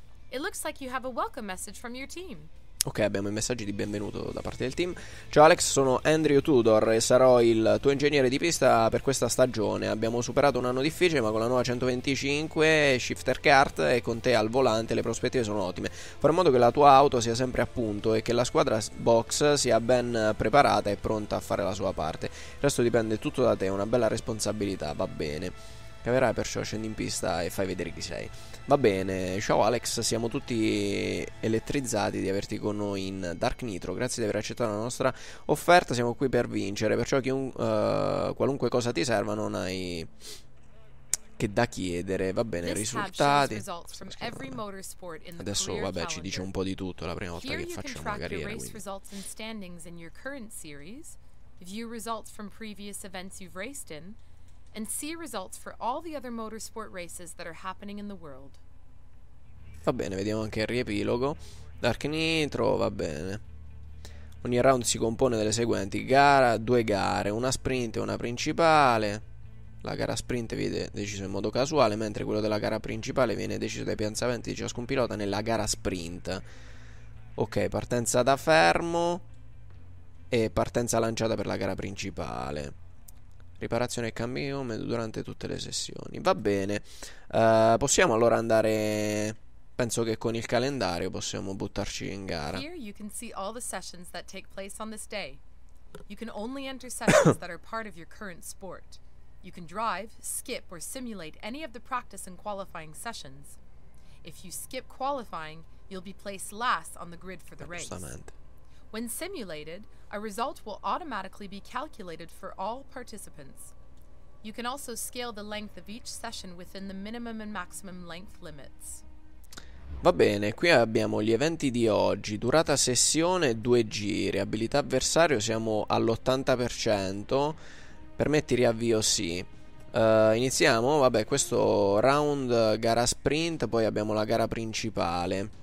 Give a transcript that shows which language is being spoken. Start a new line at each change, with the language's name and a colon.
English: It looks like you have a welcome message from your team.
Italian: Ok, abbiamo i messaggi di benvenuto da parte del team. Ciao Alex, sono Andrew Tudor e sarò il tuo ingegnere di pista per questa stagione. Abbiamo superato un anno difficile, ma con la nuova 125 Shifter Kart e con te al volante le prospettive sono ottime. Farò in modo che la tua auto sia sempre a punto e che la squadra box sia ben preparata e pronta a fare la sua parte. Il resto dipende tutto da te, è una bella responsabilità, va bene. Caverai, perciò scendi in pista e fai vedere chi sei. Va bene, ciao Alex, siamo tutti elettrizzati di averti con noi in Dark Nitro. Grazie di aver accettato la nostra offerta, siamo qui per vincere. Perciò qualunque cosa ti serva non hai che da chiedere. Va bene, risultati. Adesso vabbè, ci dice un po' di tutto, la prima volta che facciamo una carriera.
English: Here you can track your race results and standings in your current series, view results from previous events you've raced in, and see results for all the other motorsport races that are happening in the world.
Italian: Va bene, vediamo anche il riepilogo. Dark Nitro, va bene. Ogni round si compone delle seguenti gara, due gare, una sprint e una principale. La gara sprint viene decisa in modo casuale, mentre quello della gara principale viene deciso dai piazzamenti di ciascun pilota nella gara sprint. Ok, partenza da fermo e partenza lanciata per la gara principale. Riparazione e cambio durante tutte le sessioni. Va bene. Possiamo allora andare. Penso che con il calendario possiamo buttarci in gara.
English: Here you can see all the sessions that take place on this day. You can only enter sessions that are part of your current sport. You can drive, skip or simulate any of the practice and qualifying sessions. If you skip qualifying, you'll be placed last on the grid for the race. When simulated, a result will automatically be calculated for all participants. You can also scale the length of each session within the minimum and maximum length limits.
Italian: Va bene, qui abbiamo gli eventi di oggi. Durata sessione, due giri. Abilità avversario, siamo all'80%. Permetti riavvio, sì. Iniziamo? Vabbè, questo round gara sprint, poi abbiamo la gara principale.